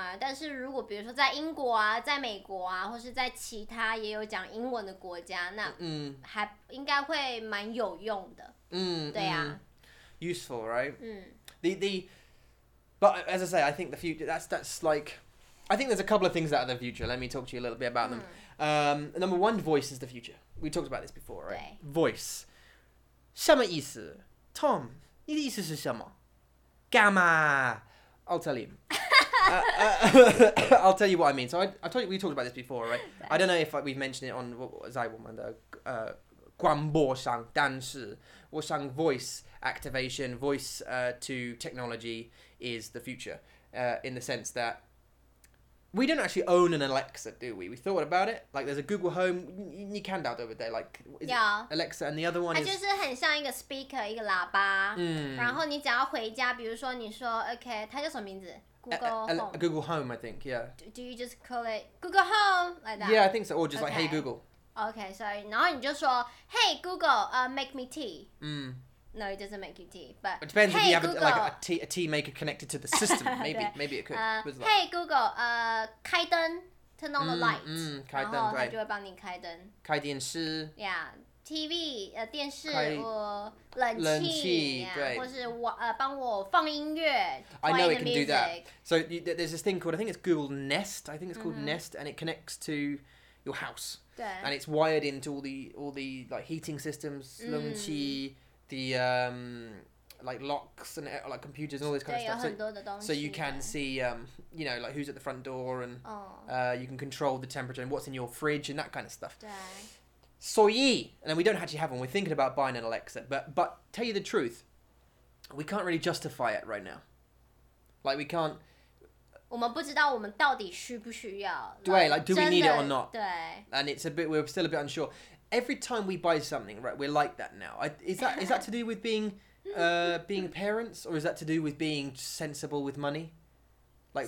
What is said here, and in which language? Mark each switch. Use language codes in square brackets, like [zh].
[zh] 但是如果比如说在英国啊，在美国啊，或是在其他也有讲英文的国家，那还应该会蛮有用的。对啊。 [en] Useful, right? 嗯。 The But as I say, I think the future, that's like, I think there's a couple of things that are the future. Let me talk to you a little bit about them. Number one, voice is the future. We talked about this before, right? [zh] 对. [en] Voice. [zh] 什么意思?Tom, 你的意思是什么?Gamma. [en] I'll tell you. I'll tell you what I mean. So I told you, we talked about this before, right? I don't know if we've mentioned it on, what was I, woman, the, [zh] 广播上, 但是我想 [en] voice activation, voice to technology,is the future, in the sense that we don't actually own an Alexa, do we? We thought about it. Like, there's a Google Home, you can't doubt over there, like, yeah. Alexa, and the other one is... [zh] 它就是很像一个 speaker, 一个喇叭。然后你只要回家,比如说你说, [en] okay, [zh] 它叫什么名字? [en] Google Home. Google Home, I think, yeah. Do you just call it Google Home, like that? Yeah, I think so, or just like, okay. Hey, Google. Okay, sorry. [zh] 然后你就说, [en] Hey, Google, make me tea. No, it doesn't make you tea, but... It depends hey, if you have Google, a tea maker connected to the system. Maybe, maybe it could. Hey, Google, [zh] 开灯, [en] turn on the light. [zh] 开灯, 然后它就会帮你开灯。开电视。 [en] Yeah, TV, [zh] 电视或冷气。冷气, [en] yeah, [zh] 对。或是我,帮我放音乐, [en] I know it can music. Do that. So there's this thing called, I think it's Google Nest. I think it's called Nest, and it connects to your house. [zh] 对。 [en] And it's wired into all the like, heating systems, [zh] 冷气... [en] the like locks and like computers and all this kind [zh] 对, [en] of stuff so you can see you know like who's at the front door and you can control the temperature and what's in your fridge and that kind of stuff [zh] 对 [en] so ye and we don't actually have one we're thinking about buying an Alexa but tell you the truth we can't really justify it right now like we can't [zh] 我们不知道我们到底需不需要对 [en] like do we need it or not [zh] 对 [en] and it's a bit we're still a bit unsure Every time we buy something, right, we're like that now. Is that to do with being parents, or is that to do with being sensible with money? Like,